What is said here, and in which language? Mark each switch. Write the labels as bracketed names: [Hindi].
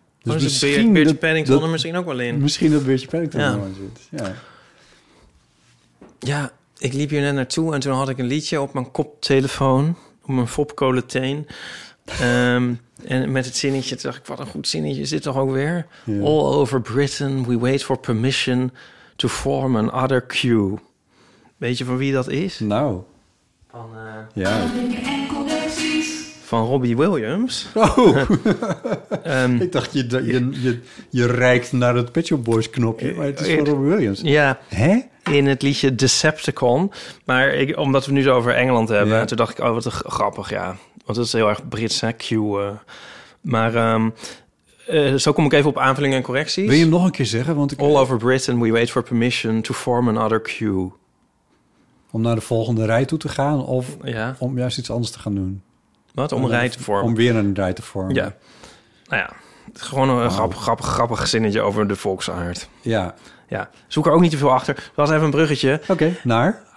[Dutch] Dus oh, misschien Beertje Paddington er misschien ook wel in. Misschien dat Beertje Paddington er aan zit. Ja. Ja, ik liep hier net naartoe en toen had ik een liedje op mijn koptelefoon, op mijn fopkolenteen. En met het zinnetje dacht ik, wat een goed zinnetje, is dit toch ook weer? [English] Yeah. All over Britain, we wait for permission to form an other queue. [Dutch] Weet je van wie dat is? Nou. Van, ja. Van Robbie Williams. Oh. ik dacht, je reikt naar het Pet Shop Boys knopje, maar het is van Robbie Williams. Ja. Hè? In het liedje Decepticon. Maar ik, omdat we nu zo over Engeland hebben, toen dacht ik, oh, wat grappig, ja. Want dat is heel erg Brits, hè, Q. Maar zo kom ik even op aanvullingen en correcties. Wil je hem nog een keer zeggen? Want ik... [English] All over Britain, we wait for permission to form another queue. [Dutch] Om naar de volgende rij toe te gaan of om juist iets anders te gaan doen? Wat? Om een rij te vormen? Om weer een rij te vormen. Ja. Nou ja, gewoon een grappig zinnetje over de volksaard. Ja. Ja. Zoek er ook niet te veel achter. Dat was even een bruggetje. Oké, naar?